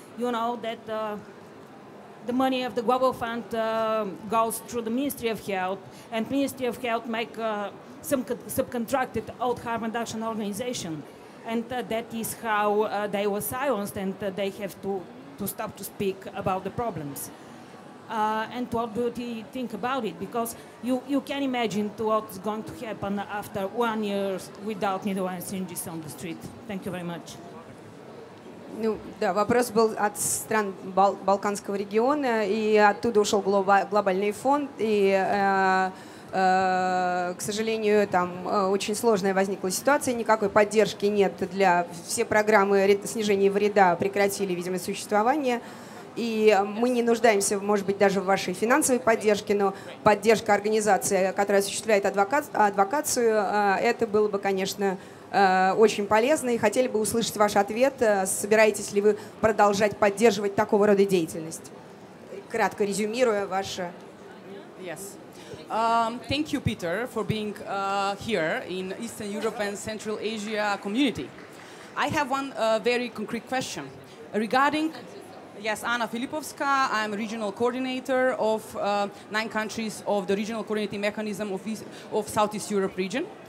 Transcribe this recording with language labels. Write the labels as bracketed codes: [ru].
[en] You know that the money of the Global Fund goes through the Ministry of Health, and Ministry of Health make some subcontracted old harm reduction organization, and that is how they were silenced, and they have to stop to speak about the problems. And what do you think about it? Because you can imagine what's going to happen after 1 year without Nidovan Sinjis on the street. Thank you very much. [ru] Ну, да, вопрос был от стран Балканского региона, и оттуда ушел глобальный фонд, и, к сожалению, там очень сложная возникла ситуация, никакой поддержки нет для... Все программы снижения вреда прекратили, видимо, существование. И мы не нуждаемся, может быть, даже в вашей финансовой поддержке, но поддержка организации, которая осуществляет адвокацию, это было бы, конечно, очень полезно. И хотели бы услышать ваш ответ. Собираетесь ли вы продолжать поддерживать такого рода деятельность? Кратко резюмируя ваше... [en] Yes. Thank you, Peter, for being here in Eastern Europe and Central Asia community. I have one very concrete question regarding... Yes, Anna Filipovska, I'm a regional coordinator of nine countries of the regional coordinating mechanism of Southeast Europe region.